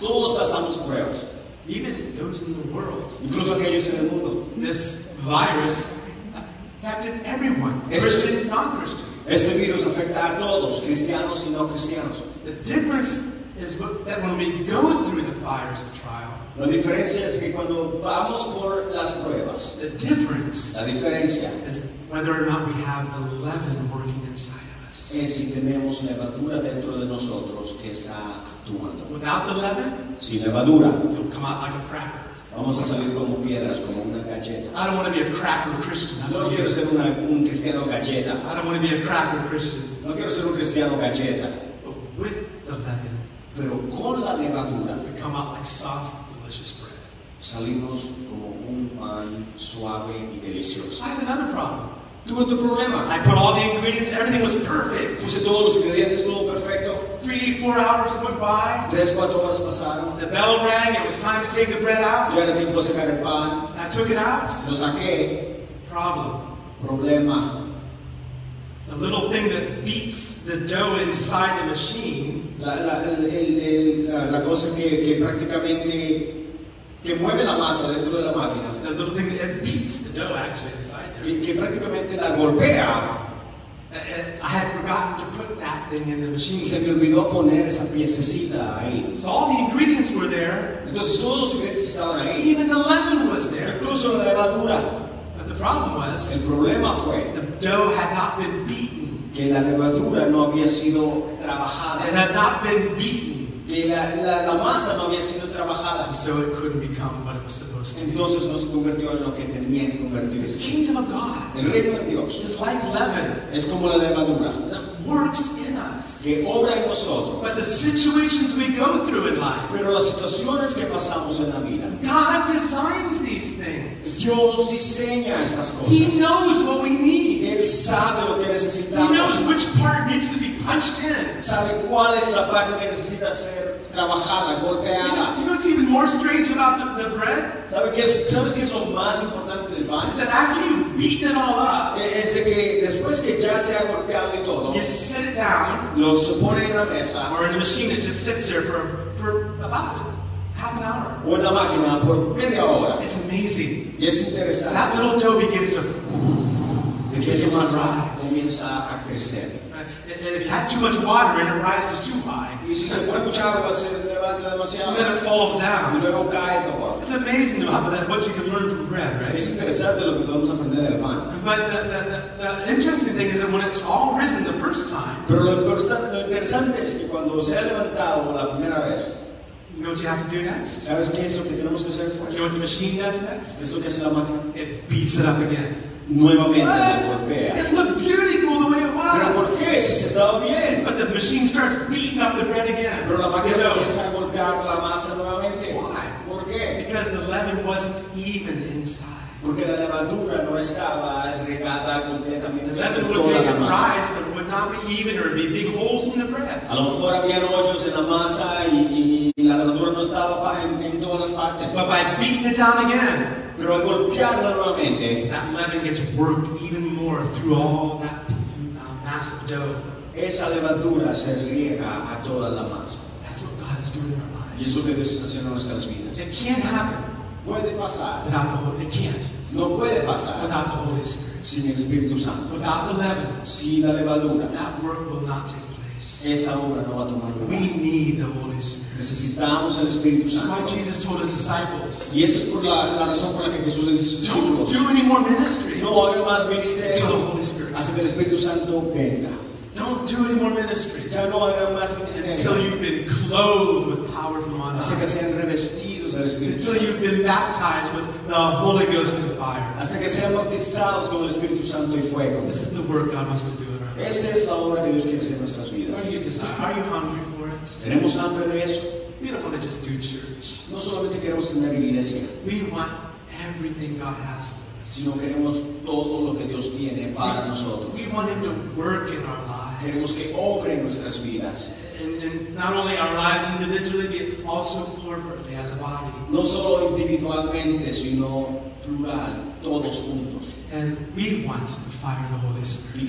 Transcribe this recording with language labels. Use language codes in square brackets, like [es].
[es] Todos pasamos pruebas. [en] Even those in the world. [es] Incluso aquellos en el mundo. [en] This virus affected everyone. Christian, non-Christian. [es] Este virus afecta a todos, cristianos y no cristianos. [en] The difference is that when we go through the fires of trial. [es] La diferencia es que cuando vamos por las pruebas, [en] the difference [es] la diferencia [en] is whether or not we have the leaven working inside of us. [es] Es si tenemos levadura dentro de nosotros que está actuando. [en] Without the leaven, [es] sin levadura, [en] you'll come out like a cracker. [es] Vamos a salir como piedras, como una galleta. [en] I don't want to be a cracker Christian. [es] No quiero ser un cristiano galleta. [en] I don't want to be a cracker Christian. [es] No quiero ser un cristiano galleta. [en] But with the leaven, [es] pero con la levadura, [en] you come out like soft. [es] Salimos como un pan suave y delicioso. [en] I had another problem. [es] Tuve otro problema. [en] I put all the ingredients, everything was perfect. [es] Puse todos los ingredientes, todo perfecto. [en] 3-4 hours went by. [es] 3-4 horas pasaron. [en] The bell rang, it was time to take the bread out. [es] Ya era tiempo de sacar el pan. [en] I took it out. [es] Lo saqué. [en] Problem. [es] Problema. [en] The little thing that beats the dough inside the machine. [es] La cosa que prácticamente que mueve la masa dentro de la máquina. [en] The little thing that beats the dough actually inside there. [es] Que prácticamente la golpea. [en] I had forgotten to put that thing in the machine. [es] Se me olvidó poner esa piececita ahí. [en] So all the ingredients were there. [es] Entonces todos los ingredientes estaban ahí. [en] Even the leaven was there. [es] Incluso la levadura. [en] But the problem was, [es] el problema fue, [en] the dough had not been beaten. [es] Que la levadura no había sido trabajada. [en] It had not been beaten. [es] Que la masa no había sido trabajada. [en] So it couldn't become what it was supposed to be. [es] Entonces no se convirtió en lo que tenía que convertirse. [en] The kingdom of God, [es] el reino de Dios, [en] is like leaven. [es] Es como la levadura. [en] That works in us. [es] Que obra en nosotros. [en] But the situations we go through in life. [es] Pero las situaciones que pasamos en la vida. [en] God designs these things. [es] Dios diseña estas cosas. [en] He knows what we need. [es] Él sabe lo que necesitamos. [en] He knows which part needs to be punched in. [es] Sabe cuál es la parte que necesita ser trabajada, golpeada. [en] You know what's even more strange about the bread? [es] ¿Sabes qué es lo más importante del pan? [en] Is that after you've beaten it all up, [es] es de que después que ya se ha golpeado y todo, [en] you sit it down, [es] lo pone en la mesa, [en] or in a machine it just sits there for about half an hour. [es] O en la máquina por media hora. [en] It's amazing. [es] Y es interesante. [en] That little dough begins to [es] comienza a crecer. [en] And if you had too much water and it rises too high, [es] si se pone mucha agua, se levanta demasiado, [en] and then it falls down. [es] Y luego cae todo. [en] It's amazing about what you can learn from bread, right? [es] Es interesante lo que podemos aprender del pan. [en] But the interesting thing is that when it's all risen the first time, [es] pero lo interesante es que cuando se ha levantado la primera vez, [en] you know what you have to do next? [es] ¿Sabes qué es lo que tenemos que hacer después? [en] You know what the machine does next? [es] ¿Es lo que hace la máquina? [en] It beats it up again. [es] Nuevamente lo golpea. [en] It looked beautiful the way it was. [es] Pero ¿por qué? Si se estaba bien. [en] But the machine starts beating up the bread again. [es] Pero la máquina comienza a golpear la masa nuevamente. [en] Why? [es] ¿Por qué? [en] Because the leaven wasn't even inside. [es] Porque la levadura no estaba regada completamente. [en] The leaven would make it rise, but it would not be even, or be big holes in the bread. [es] A lo mejor había hoyos en la masa y la levadura no estaba en todas las partes. [en] But by beating it down again, [es] pero al golpearla nuevamente, [en] that leaven gets worked even more through all that massive dough. [es] Esa levadura se riega a toda la masa. [en] That's what God is doing in our lives. [es] Y eso que Dios está haciendo en nuestras vidas. [en] It can't happen. [es] Puede pasar. [en] Without the Holy, it can't. [es] No puede pasar. [en] Without the Holy Spirit. [es] Sin el Espíritu Santo. [en] Without the leaven. [es] Sin la levadura. [en] That work will not take place. [es] Esa obra no va a tomar lugar. [en] We need the Holy Spirit. [es] Necesitamos el Espíritu Santo. [en] That's why Jesus told his disciples. [es] Y eso es por la razón por la que Jesús les dijo. [en] Don't do any more ministry. [es] No haga más ministerio. [en] Until the Holy Spirit. [es] Hasta que el Espíritu Santo venga. [en] Don't do any more ministry. [es] Ya no haga más ministerio. [en] Until you've been clothed with power from on high. [es] Hasta que sean revestidos del Espíritu Santo. [en] Until you've been baptized with the Holy Ghost and fire. [es] Hasta que sean bautizados con el Espíritu Santo y fuego. [en] This is the work God wants to do in our lives. [es] Esa es la obra que Dios quiere hacer en nuestras vidas. [en] Are you hungry for? [es] Tenemos hambre de eso. [en] We don't want to just do church. [es] No solamente queremos tener iglesia. [en] We want everything God has for us. [es] Sino queremos todo lo que Dios tiene para nosotros. [en] We want Him to work in our lives. [es] Queremos que obre en nuestras vidas. [en] And not only our lives individually, but also corporately as a body. [es] No solo individualmente, sino plural, todos juntos. [en] And we want the fire of the Holy Spirit.